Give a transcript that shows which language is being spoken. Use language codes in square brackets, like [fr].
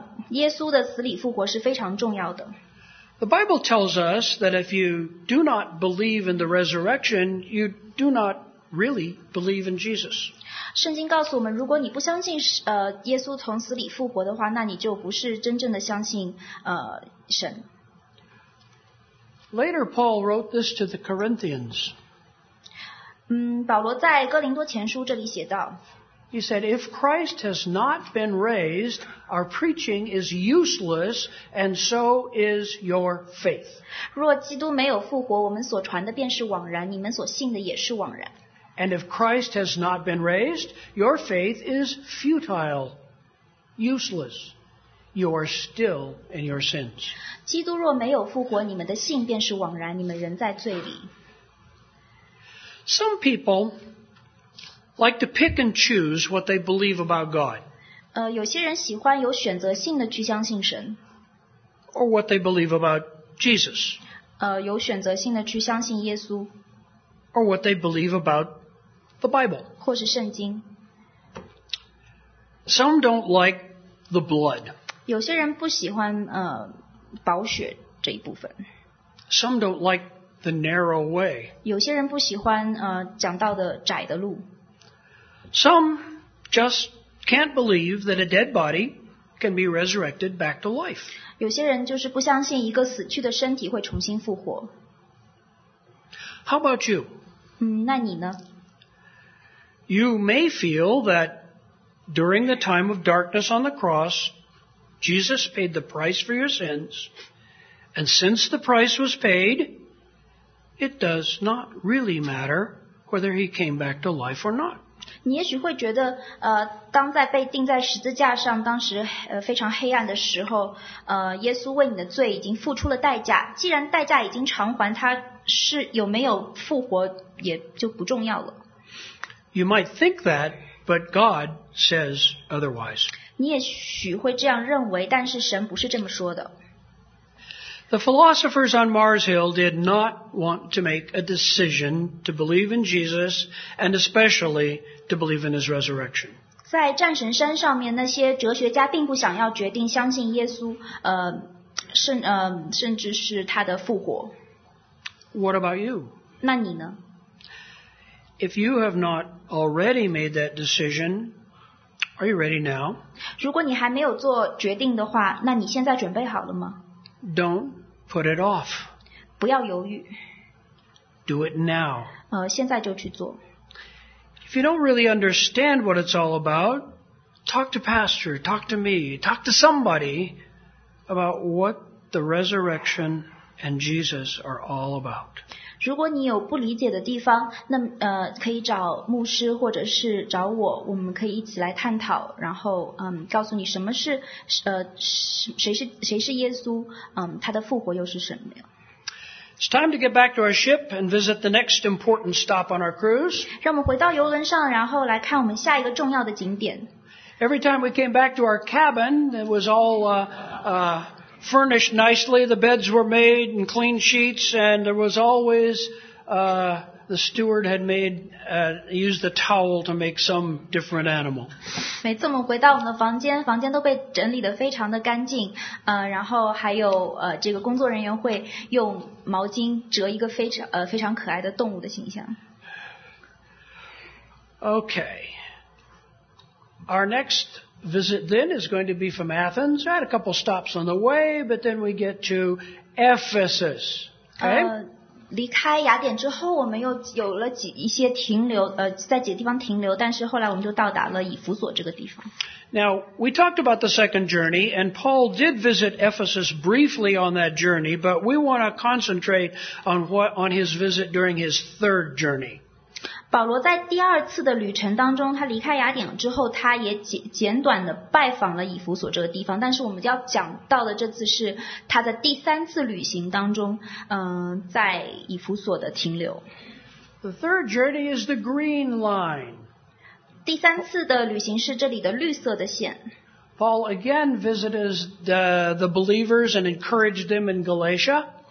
[zh] 耶稣的死里复活是非常重要的。 [en] The Bible tells us that if you do not believe in the resurrection, you do not really believe in Jesus. [zh] 圣经告诉我们，如果你不相信耶稣从死里复活的话，那你就不是真正的相信神。 [en] Later, Paul wrote this to the Corinthians. [zh] 保罗在哥林多前书这里写道 [en] He said, if Christ has not been raised, our preaching is useless, and so is your faith. [zh] 若基督没有复活，我们所传的便是枉然，你们所信的也是枉然。 [en] And if Christ has not been raised, your faith is futile, useless. You are still in your sins. [zh] 基督若没有复活，你们的信便是枉然，你们仍在罪里。 [en] Some people like to pick and choose what they believe about God. [zh] 有些人喜欢有选择性的去相信神。 [en] Or what they believe about Jesus. [zh] 有选择性的去相信耶稣。 [en] Or what they believe about the Bible. [zh] 或是圣经。 [en] Some don't like the blood. [zh] 有些人不喜欢宝血这一部分。 [en] Some don't like the narrow way. [zh] 有些人不喜欢讲到的窄的路。 [en] Some just can't believe that a dead body can be resurrected back to life. [zh] 有些人就是不相信一个死去的身体会重新复活。 [en] How about you? [zh] 那你呢？ [en] You may feel that during the time of darkness on the cross, Jesus paid the price for your sins, and since the price was paid,It does not really matter whether he came back to life or not. [zh] 你也许会觉得，当在被钉在十字架上，当时非常黑暗的时候，耶稣为你的罪已经付出了代价。既然代价已经偿还，他是有没有复活也就不重要了。 [en] You might think that, but God says otherwise. [zh] 你也许会这样认为，但是神不是这么说的。 [en] The philosophers on Mars Hill did not want to make a decision to believe in Jesus and especially to believe in his resurrection. [zh] 在战神山上面，那些哲学家并不想要决定相信耶稣，甚至是他的复活。 [en] What about you? [zh] 那你呢？ [en] If you have not already made that decision, are you ready now? [zh] 如果你还没有做决定的话，那你现在准备好了吗？ [en] Don't put it off. [zh] 不要犹豫。 [en] Do it now. [zh] 现在就去做。 [en] If you don't really understand what it's all about, talk to pastor, talk to me, talk to somebody about what the resurrection and Jesus are all about. [zh] 如果你有不理解的地方，那可以找牧师或者是找我，我们可以一起来探讨，然后告诉你什么是谁是耶稣，他的复活又是什么。 [en] It's time to get back to our ship and visit the next important stop on our cruise. [zh] 让我们回到游轮上，然后来看我们下一个重要的景点。 [en] Every time we came back to our cabin, it was all furnished nicely, the beds were made and clean sheets, and there was always the steward had made, used the towel to make some different animal. [zh] 每次我们回到我们的房间，房间都被整理得非常的干净，然后还有这个工作人员会用毛巾折一个非常可爱的动物的形象。 [en] Okay. Our next visit then is going to be from Athens. I had a couple stops on the way, but then we get to Ephesus. Okay. [zh] 离开雅典之后，我们又有了几一些停留，在几个地方停留，但是后来我们就到达了以弗所这个地方。 [en] Now, we talked about the second journey, and Paul did visit Ephesus briefly on that journey, but we want to concentrate on his visit during his third journey. [zh] 保罗在第二次的旅程当中，他离开雅典之后，他也简短的拜访了以弗所这个地方，但是我们要讲到的这次是他在第三次旅行当中，在以弗所的停留。 [en] The third journey is the green line. [zh] 第三次的旅行是这里的绿色的线。 [en] Paul again visited the believers and encouraged them in Galatia.